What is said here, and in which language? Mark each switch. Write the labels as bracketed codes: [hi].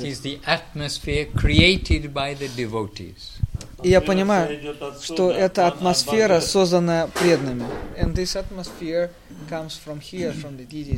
[en] And that is the atmosphere created by the devotees. [ru] И я понимаю, что эта атмосфера создана преданными. [en] And this atmosphere comes from here, from the deities.